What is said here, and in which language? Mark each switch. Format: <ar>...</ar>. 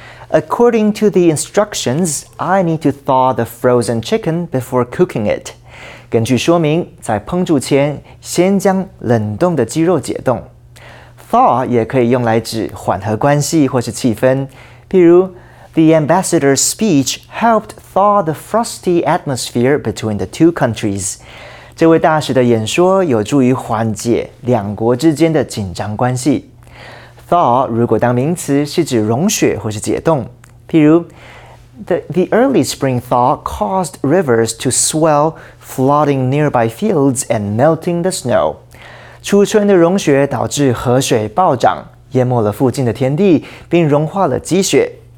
<en>According to the instructions, I need to thaw the frozen chicken before cooking it.</en> <zh>根据说明，在烹煮前先将冷冻的鸡肉解冻。</zh> <en>Thaw</en> <zh>也可以用来指缓和关系或是气氛，譬如</zh> <en>The ambassador's speech helped thaw the frosty atmosphere between the two countries.</en> <zh>这位大使的演说有助于缓解两国之间的紧张关系。</zh> <en>Thaw</en> <zh>如果当名词是指融雪或是解冻，譬如</zh> <en>the early spring thaw caused rivers to swell, flooding nearby fields and melting the snow.</en> <zh>初春的融雪导致河水暴涨，淹没了附近的田地，并融化了积雪。</zh>